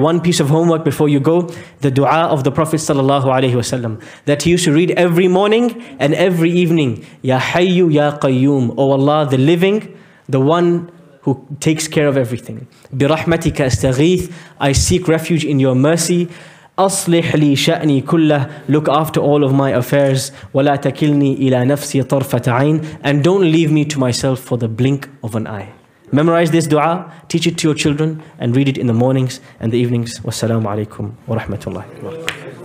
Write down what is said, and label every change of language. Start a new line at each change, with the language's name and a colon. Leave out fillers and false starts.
English: One piece of homework before you go, the dua of the Prophet sallallahu alayhi wa sallam that he used to read every morning and every evening.
Arabic: Ya hayyu ya qayyum.
English: O Allah, the living, the one who takes care of everything.
Arabic: Bi rahmatika astaghith.
English: I seek refuge in your mercy.
Arabic: أصلح لي شأني كله.
English: Look after all of my affairs.
Arabic: ولا تكلني إلى نفسي طرفة عين.
English: And don't leave me to myself for the blink of an eye. Memorize this dua, teach it to your children, and read it in the mornings and the evenings.
Arabic: والسلام عليكم ورحمة الله وبركاته.